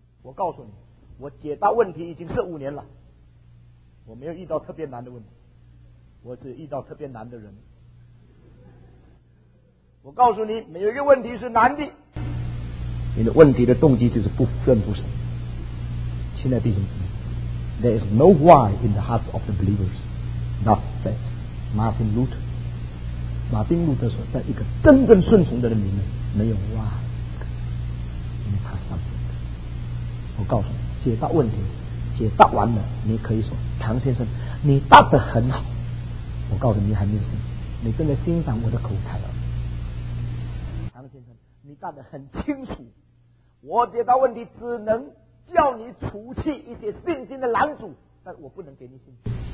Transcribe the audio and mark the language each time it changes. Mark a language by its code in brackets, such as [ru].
[zh] 我告诉你，我解答问题已经是5年了，我没有遇到特别难的问题，我只遇到特别难的人。我告诉你，没有一个问题是难的。你的问题的动机就是不顺服神。亲爱的弟兄姊妹， [en] There is no why in the hearts of the believers, not said Martin Luther。 [zh] 马丁路德说，在一个真正顺从的人里面，没有哇这个字，因为他上帝的。我告诉你，解答问题，解答完了，你可以说，唐先生，你答得很好。我告诉你，还没有信，你正在欣赏我的口才了。唐先生，你答得很清楚，我解答问题只能叫你除去一些信心的拦阻，但我不能给你信心。